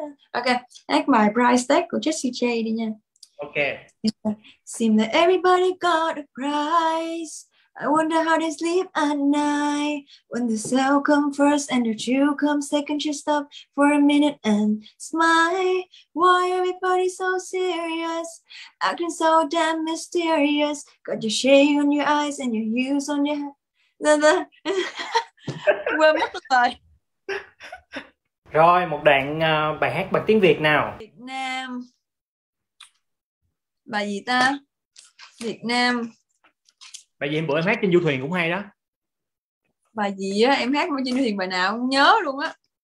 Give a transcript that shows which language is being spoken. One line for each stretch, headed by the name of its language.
Vietnamese: Ok, hát bài Price Tag của Jessie Ok. J đi nha.
English: Seems that everybody got a prize. I wonder how they sleep at night when the sale comes first and the truth comes second. Just stop for a minute and smile. Why everybody so serious? Acting so damn mysterious. Got your shade on your eyes and your heels on your head.
Vietnamese: Quên mất rồi. Rồi, một đoạn bài hát bằng tiếng Việt nào. Việt Nam. Bài gì ta? Việt Nam. Bởi vì em bữa em hát trên du thuyền cũng hay đó. Bài gì á, em hát mới trên thuyền bài nào không nhớ luôn á.